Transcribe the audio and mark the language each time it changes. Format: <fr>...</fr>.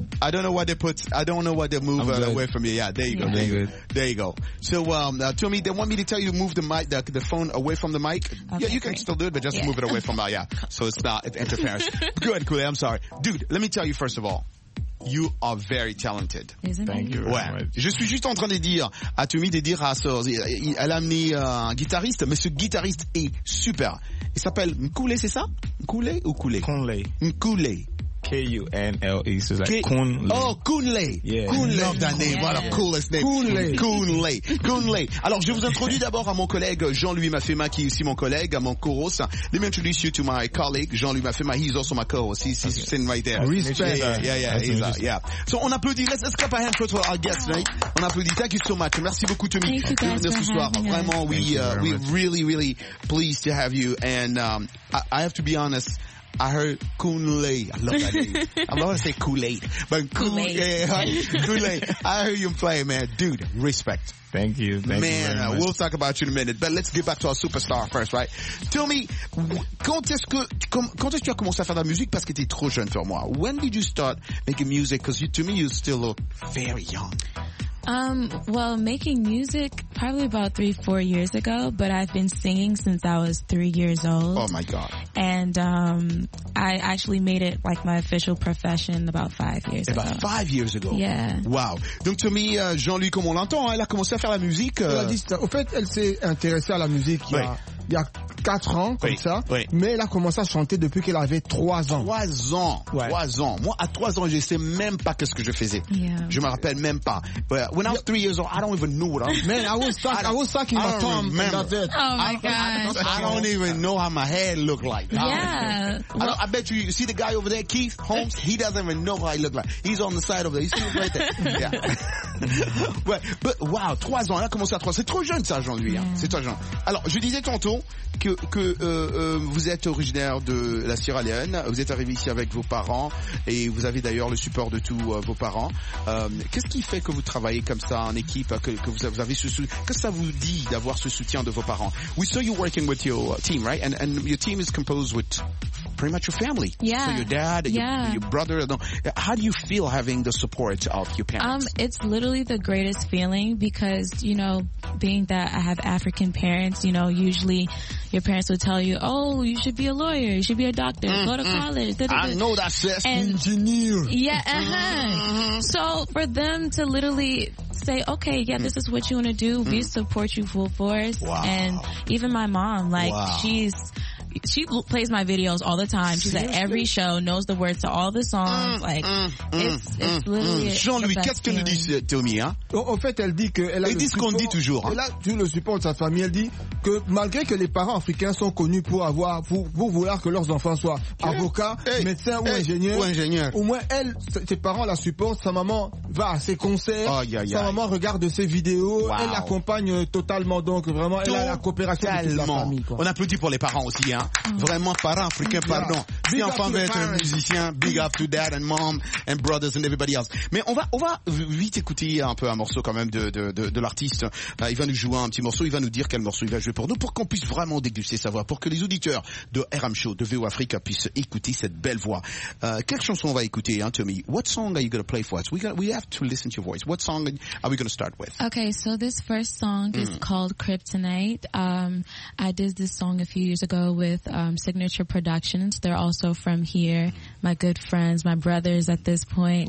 <en>I don't know what they move away from you. Yeah, there you go. So, Tommy, they want me to tell you to move the phone away from the mic. Okay, yeah, you can still do it, but just move it away from that. Yeah. So it's interference. Good, Kunle. I'm sorry. Dude, let me tell you first of all. You are very talented. Thank you very much.</en> <fr>Je suis juste en train de dire à Tommy de dire à ça. Elle a amené un guitariste, mais ce guitariste est super. Il s'appelle Kunle, c'est ça? Kunle ou Kunle? Kunle. Kunle.</fr> <en>K-U-N-L-E, so it's like Kunle. Oh, Kunle. Yeah. Kunle. Love that name. Yeah. What a coolest name. Kunle. Kunle. Kunle.</en> <fr>Alors, je vous introduis d'abord à mon collègue Jean-Louis Mafema, qui est aussi mon collègue, à mon co-host.</fr> <en>Let me introduce you to my colleague, Jean-Louis Mafema. He's also my co-host. He's sitting right there. Respect.</en> <fr>Yeah. So, on applaudit.</fr> <en>Let's clap a hand for our guest, right?</en> <fr>On applaudit.</fr> <en>Thank you so much.</en> <fr>Merci beaucoup, Tommy.</fr> <en>Thank you, guys, for having us. Vraiment, we're really, really pleased to have you. And I have to be honest. I heard Kunle. I love that name. I'm not gonna say Kool-Aid, but Kool-Aid. Kool-Aid. I heard you play, man. Dude, respect. Thank you very much. We'll talk about you in a minute, but let's get back to our superstar first, right? Tell me,</en> <fr>quand est-ce que tu as commencé à faire de la musique parce que t'es trop jeune pour moi?</fr> <en>When did you start making music? Cause to me, you still look very young. Well, making music probably about 3-4 years ago, but I've been singing since I was 3 years old. Oh my God. And, I actually made it like my official profession about five years ago. Yeah. Wow.</en> <fr>Donc, tu as mis, Jean-Louis, comme on l'entend, elle a commencé à faire la musique. Au fait, elle s'est intéressée à la musique il y a 4 ans, comme oui, ça. Oui. Mais elle a commencé à chanter depuis qu'elle avait 3 ans. 3 ans. Ouais. 3 ans. Moi, à 3 ans, je ne sais même pas ce que je faisais.</fr> <en>Yeah.</en> <fr>Je ne me rappelle même pas.</fr> <en>But when I was 3 years old, I don't even know what I'm... Man, I was stuck in my tongue. That's it. Oh, my gosh. I don't even know how my hair looked like. Yeah. Well, I bet you, you see the guy over there, Keith Holmes? He doesn't even know how he looked like. He's on the side over there. You see him right there? Yeah.</en> <fr>Ouais, but wow, 3 ans, elle a commencé à 3 ans. C'est trop jeune ça, Jean-Louis. Hein. C'est trop jeune. Alors, je disais tantôt que vous êtes originaire de la Sierra Leone. Vous êtes arrivé ici avec vos parents et vous avez d'ailleurs le support de tous vos parents. Qu'est-ce qui fait que vous travaillez comme ça en équipe, que vous avez ce soutien? Qu'est-ce que ça vous dit d'avoir ce soutien de vos parents?</fr> <en>We saw you working with your team, right? And your team is composed with pretty much your family. Yeah. So your dad, your brother. How do you feel having the support of your parents? It's literally the greatest feeling because, you know, being that I have African parents, you know, usually your parents would tell you, oh, you should be a lawyer, you should be a doctor, go to college. I know that, sis. Engineer. Yeah. So for them to literally say, okay, yeah, this is what you want to do, we support you full force. Wow. And even my mom, like, she plays my videos all the time. She's at every show, knows the words to all the songs.</en> <fr>Jean-Louis, qu'est-ce qu'elle dit, Tommy, hein? Au fait, elle dit que elle a tout le support de sa famille. Elle dit que malgré que les parents africains sont connus pour avoir, pour vouloir que leurs enfants soient avocats, médecins ou ingénieurs, au moins elle, ses parents la supportent. Sa maman va à ses concerts. Maman regarde ses vidéos.</fr> <en>Wow.</en> <fr>Elle l'accompagne totalement. Donc vraiment, elle a la coopération de sa famille. Quoi. On applaudit pour les parents aussi. Hein. Vraiment, parents africains, pardon. Si enfin veut être un musicien,</fr> <en>big up to dad and mom and brothers and everybody else.</en> <fr>Mais on va vite écouter un peu un morceau quand même de l'artiste. Il va nous jouer un petit morceau, il va nous dire quel morceau il va jouer pour nous, pour qu'on puisse vraiment déguster sa voix, pour que les auditeurs de RM Show, de VO Africa, puissent écouter cette belle voix. Quelle chanson on va écouter, hein, Tommy?</fr> <en>What song are you going to play for us? We have to listen to your voice. What song are we going to start with? Okay, so this first song is called Kryptonite. I did this song a few years ago with Signature Productions. They're also from here, my good friends, my brothers at this point.</en>